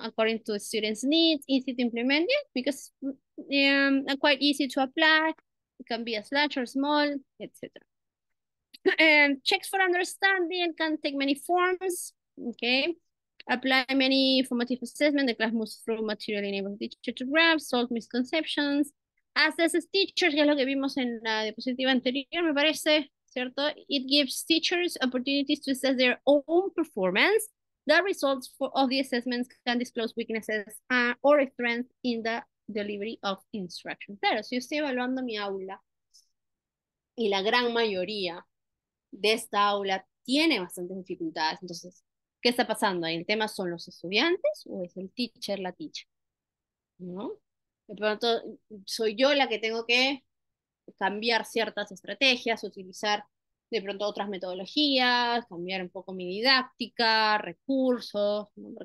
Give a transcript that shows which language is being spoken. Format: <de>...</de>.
<en>According to students' needs, easy to implement, because quite easy to apply, it can be as large or small, etc. Checks for understanding can take many forms, okay. Apply many formative assessment, the class moves through material enabled teacher to grasp, solve misconceptions,</en> <es>Access Teachers, que es lo que vimos en la diapositiva anterior, me parece, ¿cierto?</es> <en>It gives teachers opportunities to assess their own performance. The results for, of the assessments can disclose weaknesses or strengths in the delivery of instruction.</en> <es>Claro, si estoy evaluando mi aula y la gran mayoría de esta aula tiene bastantes dificultades, entonces, ¿qué está pasando ahí? ¿El tema son los estudiantes o es el teacher, la teacher? ¿No? De pronto, soy yo la que tengo que cambiar ciertas estrategias, utilizar de pronto otras metodologías, cambiar un poco mi didáctica, recursos, ¿no?</es>